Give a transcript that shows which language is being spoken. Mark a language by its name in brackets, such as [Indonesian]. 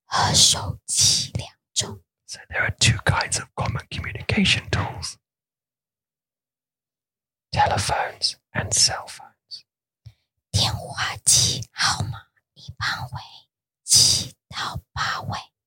[Chinese] 常用的通信工具有电话机和手机两种。So [English] there are two kinds of common communication tools: telephones and cell phones. [Chinese] 电话机号码一般为7到8位。